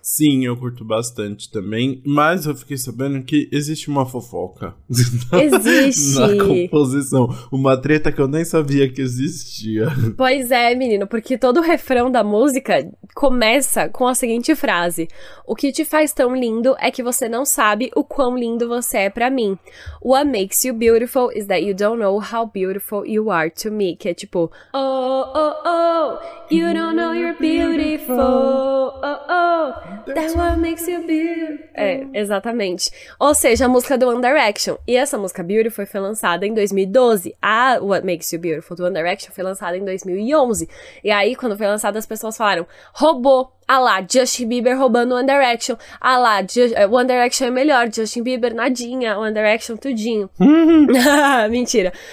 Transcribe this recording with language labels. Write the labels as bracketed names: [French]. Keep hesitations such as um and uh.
[Portuguese] Sim, eu curto bastante também, mas eu fiquei sabendo que existe uma fofoca. Existe! na composição, uma treta que eu nem sabia que existia. Pois é, menino, porque todo o refrão da música começa com a seguinte frase: O que te faz tão lindo é que você não sabe o quão lindo você é para mim. [English] What makes you beautiful is that you don't know how beautiful you are to me. Que é tipo, oh, oh, oh, you don't know you're beautiful. Oh, oh, that's what makes you beautiful. [Portuguese] É, exatamente. Ou seja, a música do One Direction. E essa música Beautiful foi lançada em 2012. A What Makes You Beautiful do One Direction foi lançada em 2011. E aí, quando foi lançada, as pessoas falaram, roubou ah lá, Justin Bieber roubando One Direction. Ah lá, Just, One Direction é melhor, Justin Bieber nadinha, One Direction tudinho. Mentira.